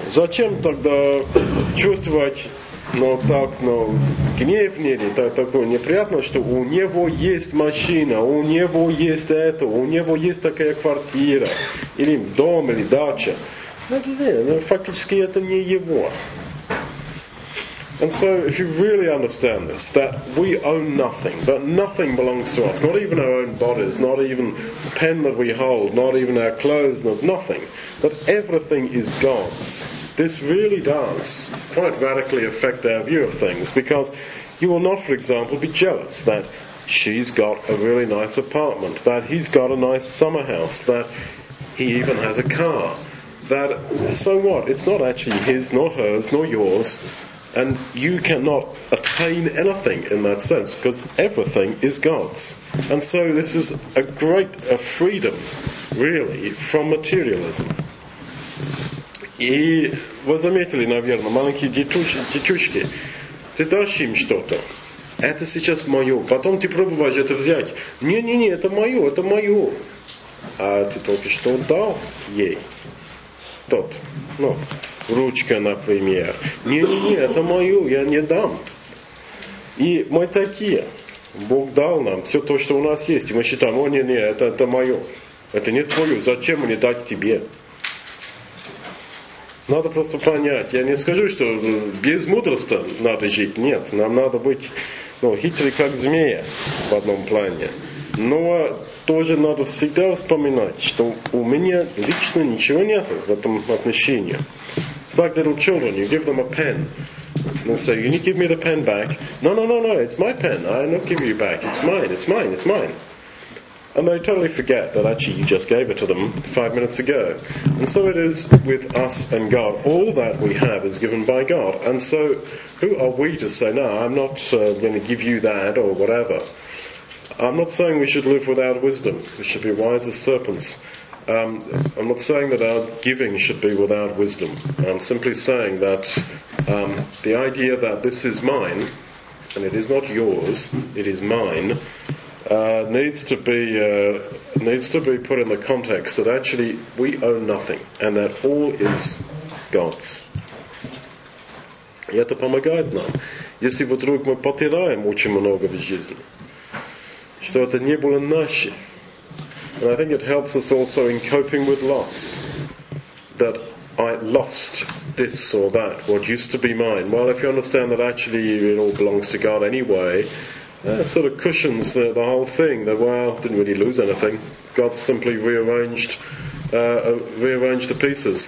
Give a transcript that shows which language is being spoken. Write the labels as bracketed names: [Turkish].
[Russian] Зачем тогда чувствовать, гнев или такое неприятное, что у него есть машина, у него есть это, у него есть такая квартира, или дом, или дача. Но фактически это не его. [English] And so, if you really understand this, that we own nothing, that nothing belongs to us, not even our own bodies, not even the pen that we hold, not even our clothes, not nothing, that everything is God's, this really does quite radically affect our view of things, because you will not, for example, be jealous that she's got a really nice apartment, that he's got a nice summer house, that he even has a car, that, so what, it's not actually his, nor hers, nor yours. And you cannot attain anything in that sense, because everything is God's. And so this is a great freedom, really, from materialism. [Russian] И вы заметили, наверное, маленькие детушки, ты дашь им что-то, это сейчас мое, потом ты пробуешь это взять. Не-не-не, это мое, это мое. А ты только что дал ей. Тот, ручка, например. Не-не-не, это мою, я не дам. И мы такие. Бог дал нам все то, что у нас есть. И мы считаем, это мое. Это не твое, зачем мне дать тебе? Надо просто понять. Я не скажу, что без мудрости надо жить. Нет, нам надо быть хитрый, как змея в одном плане. Но тоже надо всегда вспоминать, что у меня лично ничего нет в этом отношении. [English] It's like little children, you give them a pen. And say, you need to give me the pen back. No, it's my pen. I don't give you back. It's mine. And they totally forget that actually you just gave it to them 5 minutes ago. And so it is with us and God. All that we have is given by God. And so who are we to say, no, I'm not going to give you that or whatever. I'm not saying we should live without wisdom. We should be wise as serpents. I'm not saying that our giving should be without wisdom. I'm simply saying that the idea that this is mine, and it is not yours, it is mine, needs to be put in the context that actually we own nothing, and that all is God's. [Russian] И это помогает нам, если вдруг мы потеряем очень много в жизни. Что это не было наше. [English] And I think it helps us also in coping with loss. That I lost this or that, what used to be mine. Well, if you understand that actually it all belongs to God anyway, it sort of cushions the whole thing. That, well, didn't really lose anything. God simply rearranged the pieces.